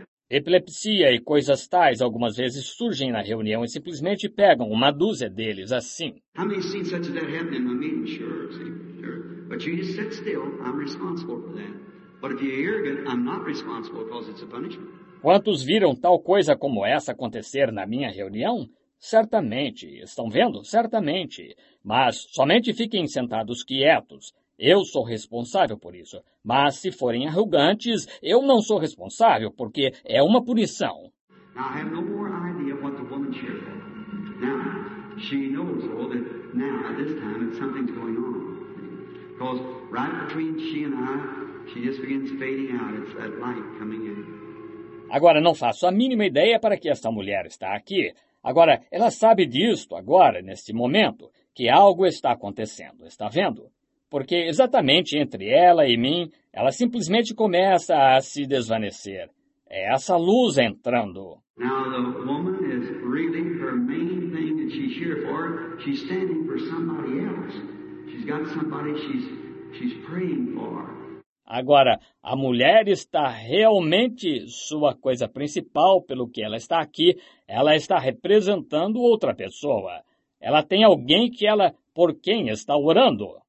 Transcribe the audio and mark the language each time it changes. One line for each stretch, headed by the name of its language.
Portuguese: Epilepsia e coisas tais algumas vezes surgem na reunião e simplesmente pegam uma dúzia deles assim.
English: How many seen such as that happen in my meeting? Sure. But you just sit still. I'm responsible for that. But if you're arrogant, I'm not responsible because it's a punishment.
Portuguese: Quantos viram tal coisa como essa acontecer na minha reunião? Certamente, estão vendo? Certamente. Mas somente fiquem sentados quietos. Eu sou responsável por isso. Mas se forem arrogantes, eu não sou responsável, porque é uma punição.
English: Now, I have no more idea what the woman shared. Now, she knows, though, that now, at this time, something's going on. Because right between she and I, she just begins fading out. It's that light coming in.
Portuguese: Agora, não faço a mínima ideia para que esta mulher está aqui. Agora, ela sabe disto agora, neste momento, que algo está acontecendo, está vendo? Porque exatamente entre ela e mim, ela simplesmente começa a se desvanecer. É essa luz entrando.
English: Now the woman is really her main thing that she's here for. She's standing for somebody else. She's got somebody she's praying for.
Portuguese: Agora, a mulher está realmente sua coisa principal, pelo que ela está aqui. Ela está representando outra pessoa. Ela tem alguém que ela, por quem está orando.